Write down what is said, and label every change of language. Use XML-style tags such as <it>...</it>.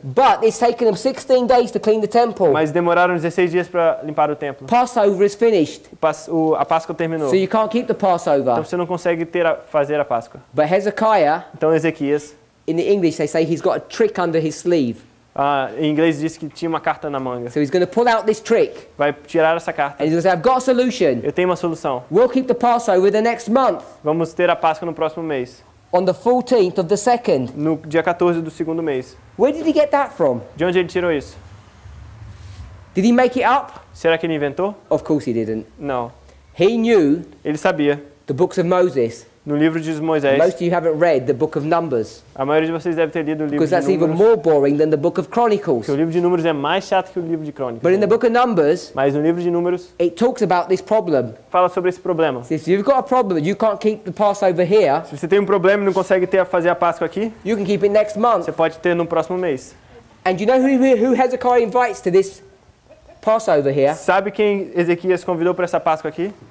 <en>But it's taken them 16 days to clean the temple.</en> <pt>Mas demoraram 16 dias para limpar o templo.</pt> <en>Passover is finished.</en> <pt>A Páscoa terminou.</pt> <en>So you can't keep the Passover.</en> <pt>Então você não consegue fazer a Páscoa.</pt> <en>But Hezekiah.</en> <pt>Então Ezequias.</pt> <en>In the English they say he's got a trick under his sleeve.</en> <pt>Em inglês diz que tinha uma carta na manga.</pt> <en>So he's going to pull out this trick.</en> <pt>Vai tirar essa carta.</pt> <en>And he's going to say, I've got a solution.</en> <pt>Eu tenho uma solução.</pt> <en>We'll keep the Passover the next month.</en> <pt>Vamos ter a Páscoa no próximo mês.</pt> <en>On the 14th of the second.</en> <pt>No dia 14 do segundo mês.</pt> <en>Where did he get that from?</en> <pt>De onde ele tirou isso?</pt> <en>Did he make it up?</en> <pt>Será que ele inventou?</pt> <en>Of course he didn't.</en> <pt>Não.</pt> <en>He knew.</en> <pt>Ele sabia.</pt> <en>The books of Moses.</en> <pt>No livro de Moisés.</pt> <en>Most of you haven't read the book of Numbers.</en> <pt>A maioria de vocês deve ter lido o livro de Números.</pt> <en>Because that's even more boring than the book of Chronicles.</en> <pt>Porque o livro de Números é mais chato que o livro de Crônicas.</pt> <en>But in the book of Numbers.</en> <pt>Mas no livro de Números.</pt> <en>It talks about this problem.</en> <pt>Fala sobre esse problema.</pt> <en>So if you've got a problem, you can't keep the Passover here.</en> <pt>Se você tem problema e não consegue fazer a Páscoa aqui.</pt> <en>You can keep it next month.</en> <pt>Você pode ter no próximo mês.</pt> <en>And you know who Hezekiah invites to this Passover here?</en> <pt>Sabe quem Ezequias convidou para essa Páscoa aqui?</pt>